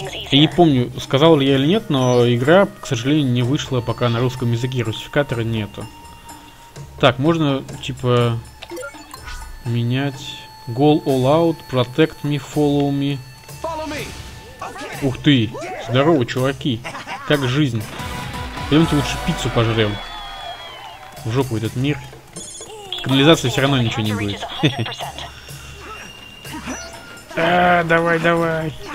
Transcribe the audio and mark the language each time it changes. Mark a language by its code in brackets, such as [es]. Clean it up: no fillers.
[ru] Я не помню, сказал ли я или нет, но игра, к сожалению, не вышла пока на русском языке, русификатора нету. Так, можно, типа, менять... [en] Go all out, protect me, follow me. [ru] Ух ты, здорово, чуваки, как жизнь. Пойдемте лучше пиццу пожрем. В жопу этот мир. Канализация все равно ничего не будет. Давай, давай.